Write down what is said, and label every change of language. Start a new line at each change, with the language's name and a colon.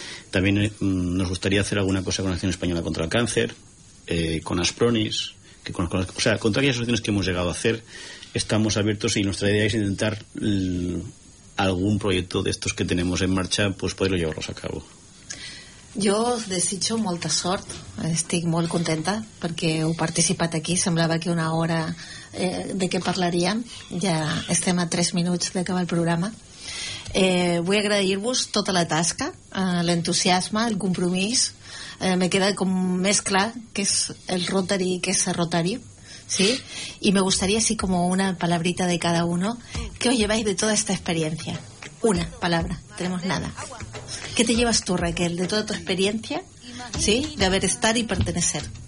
Spanish: También nos gustaría hacer alguna cosa con la Acción Española contra el Cáncer, con Aspronis, con aquellas asociaciones que hemos llegado a hacer, estamos abiertos y nuestra idea es intentar algún proyecto de estos que tenemos en marcha, pues poderlo llevarlos a cabo.
Catalan: Jo us desitjo molta sort, estic molt contenta perquè heu participat aquí, semblava que una hora de què parlaríem, ja estem a 3 minuts d'acabar el programa. Vull agrair-vos tota la tasca, l'entusiasme, el compromís. M'he quedat com més clar que és el Rotary, que és el Rotary, sí?
Spanish: I me gustaría así como una palabrita de cada uno. ¿Qué os lleváis de toda esta experiencia? Una palabra, tenemos nada. ¿Qué te llevas tú, Raquel, de toda tu experiencia, sí? De haber estar y pertenecer.